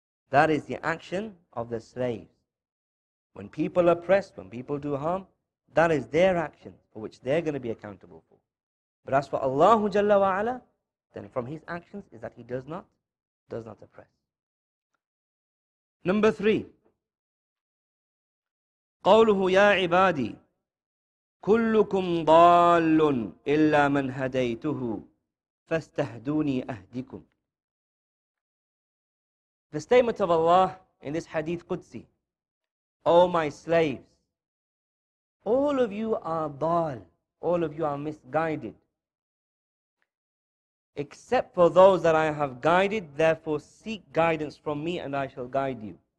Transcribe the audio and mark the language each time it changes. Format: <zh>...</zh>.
<en>That is the action of the slaves. When people oppress, when people do harm, that is their action for which they're going to be accountable for. But as for Allah Jalla wa Ala, then from His actions is that He does not oppress. Number three.</en> <ar>قوله يا عبادي كلكم ضال إلا من هديته فاستهدوني أهديكم.</ar> <en>The statement of Allah in this hadith Qudsi, O my slaves, all of you are dal, all of you are misguided, except for those that I have guided, therefore seek guidance from me and I shall guide you.</en>